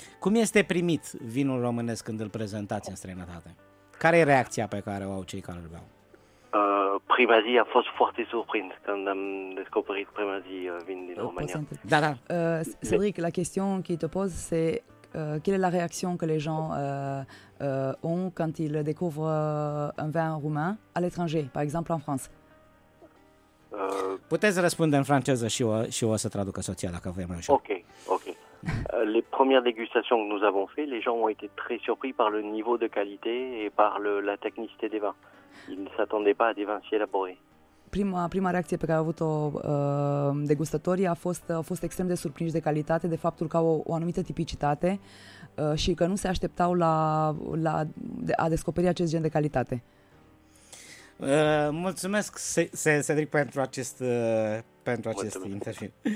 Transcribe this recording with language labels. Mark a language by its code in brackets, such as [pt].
[ro] Cum este primit vinul românesc când îl prezentați în străinătate? Care e reacția pe care o au cei care îl beau? Prima zi a fost foarte surprins când am descoperit prima zi vin din România. Da, da. [fr] Cedric, la question qui te pose, c'est quelle est la réaction que les gens ont quand ils découvrent un vin roumain à l'étranger, par exemple en France? [ro] Puteți răspunde în franceză și o să traducă soția dacă vrei mai ușor. Ok, ok. [fr] Les premières dégustations que nous avons fait, les gens ont été très surpris par le niveau de qualité et par la technicité des vins. Il ne s'attendait pas à des vins si élaborés. [ro] Prima reacție pe care au avut-o degustătorii a fost extrem de surprinși de calitate, de faptul că au o anumită tipicitate și că nu se așteptau la a descoperi acest gen de calitate. Mulțumesc, Cedric, pentru acest interviu.